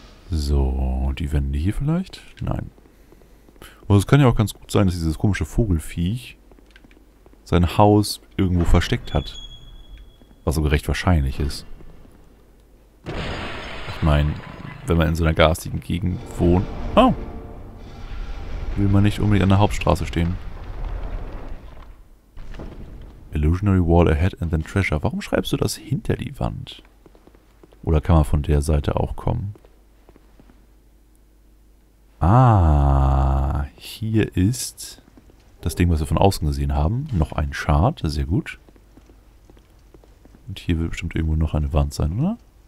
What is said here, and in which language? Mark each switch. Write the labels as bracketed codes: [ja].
[de] So, die Wände hier vielleicht? Nein. Und es kann ja auch ganz gut sein, dass dieses komische Vogelviech sein Haus irgendwo versteckt hat. Was sogar recht wahrscheinlich ist. Ich meine, wenn man in so einer garstigen Gegend wohnt... Oh! Will man nicht unbedingt an der Hauptstraße stehen. [en] Illusionary Wall ahead and then treasure. [de] Warum schreibst du das hinter die Wand? Oder kann man von der Seite auch kommen? Ah, hier ist das Ding, was wir von außen gesehen haben. Noch ein Chart, sehr gut. Und hier wird bestimmt irgendwo noch eine Wand sein, oder?